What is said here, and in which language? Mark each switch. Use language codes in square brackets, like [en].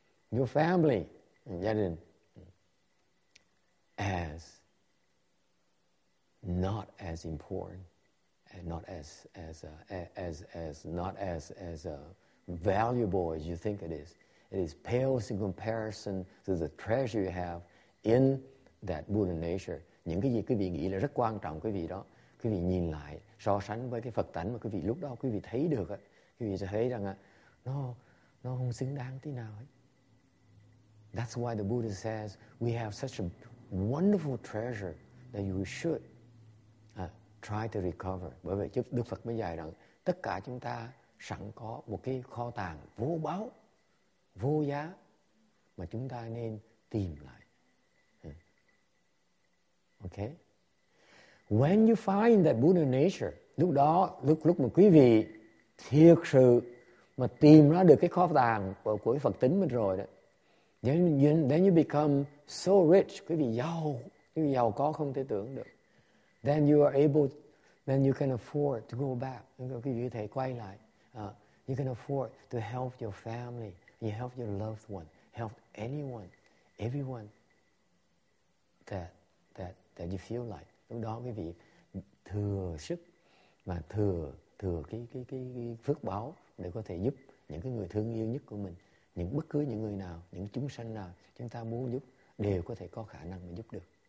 [en] your family, gia đình, as not as important and not as valuable as you think it is. It is pales in comparison to the treasure you have in that Buddha nature. [vi] Những cái gì quý vị nghĩ là rất quan trọng quý vị đó, quý vị nhìn lại so sánh với cái Phật tánh mà quý vị lúc đó quý vị thấy được á, quý vị sẽ thấy rằng á, nó không xứng đáng tí nào ấy. [en] That's why the Buddha says we have such a wonderful treasure that you should try to recover. [vi] Bởi vậy Đức Phật mới dạy rằng tất cả chúng ta sẵn có một cái kho tàng vô báu, vô giá mà chúng ta nên tìm lại. [en] Okay? When you find that Buddha nature, [vi] lúc đó lúc mà quý vị thiệt sự mà tìm ra được cái kho tàng của Phật tính mình rồi đó, [en] then you become so rich, [vi] quý vị giàu có không thể tưởng được. [en] Then you are able, then you can afford to go back. [vi] Quý vị có thể quay lại. [en] You can afford to help your family, you help your loved one, help anyone, everyone that you feel like. [vi] Lúc đó quý vị thừa sức và thừa cái phước báo để có thể giúp những cái người thương yêu nhất của mình. Những bất cứ những người nào, những chúng sanh nào chúng ta muốn giúp đều có thể có khả năng mà giúp được.